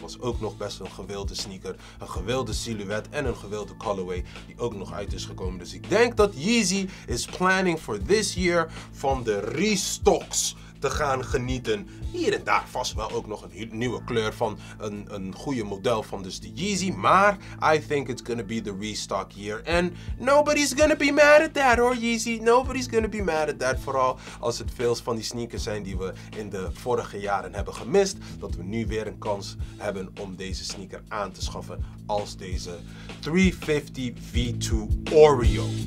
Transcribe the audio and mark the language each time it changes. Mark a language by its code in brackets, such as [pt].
[nl] Was ook nog best een gewilde sneaker, een gewilde silhouet en een gewilde colorway die ook nog uit is gekomen. Dus ik denk dat Yeezy [en] is planning for this year [nl] van de restocks te gaan genieten. Hier en daar vast wel ook nog een nieuwe kleur van een goede model van dus de Yeezy. Maar [en] I think it's gonna be the restock year. And nobody's gonna be mad at that [nl] hoor, [en] Yeezy. Nobody's gonna be mad at that. [nl] Vooral als het veel van die sneakers zijn die we in de vorige jaren hebben gemist. Dat we nu weer een kans hebben om deze sneaker aan te schaffen als deze 350 V2 Oreo.